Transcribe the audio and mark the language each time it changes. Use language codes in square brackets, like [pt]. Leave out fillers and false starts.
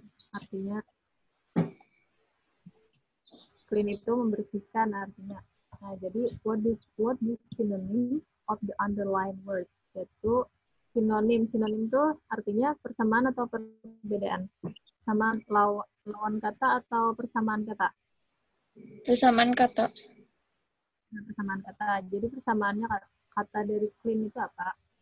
[id] Artinya clean itu membersihkan artinya. Nah, jadi [en] what is synonym of the underlying word? [id] Yaitu sinonim. Sinonim itu artinya persamaan atau perbedaan. Sama lawan kata atau persamaan kata? Persamaan kata. Nah, persamaan kata. Jadi persamaannya kata dari clean itu apa?